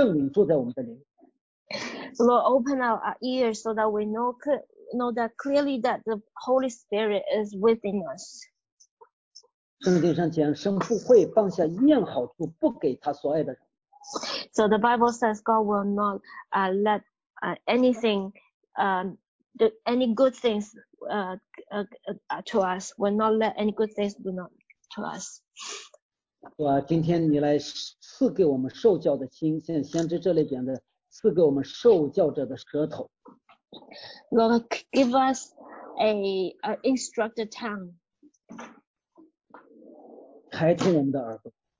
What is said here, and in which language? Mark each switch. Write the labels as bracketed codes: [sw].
[zh] 主啊，主啊，你开启我们的灵，你增加弟兄姐妹的信心，让我们清清楚楚的知道这真理，就是圣灵住在我们的灵。Lord, [en] open our ears so that we know that clearly that the Holy Spirit is within us. [zh] 圣经上讲，神不会放下一样好处不给他所爱的人。 [en] So the Bible says God will not let anything, any good things to us, will not let any good things do not to us. [zh] 主啊，今天你来赐给我们受教的心，像先知这里讲的，赐给我们受教者的舌头。 [en] Lord, give us an instructed tongue. [zh] 开通我们的耳朵。